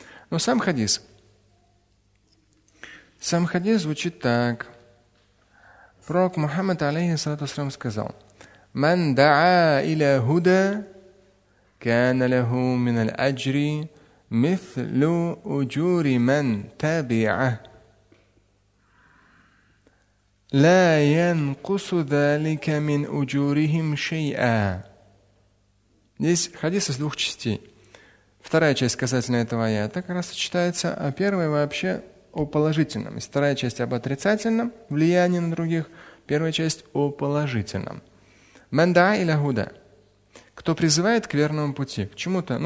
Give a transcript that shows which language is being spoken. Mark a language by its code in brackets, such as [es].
[ru] Но сам хадис звучит так. Пророк Мухаммад, [ar] алейхиссалату ассалям, [ru] сказал: [ar] «Ман даа иля худа, кана лаху мин аль-аджри мислу уджури ман табиа». لا ينقص ذلك من أجورهم شيئا. [ru] Здесь хадис из двух частей. Вторая часть касательно этого аята как раз читается, а первая вообще о положительном. Вторая часть об отрицательном влиянии на других, первая часть о положительном. [ar] Мандаа иля худа. [ru] Кто призывает к верному пути, к чему-то.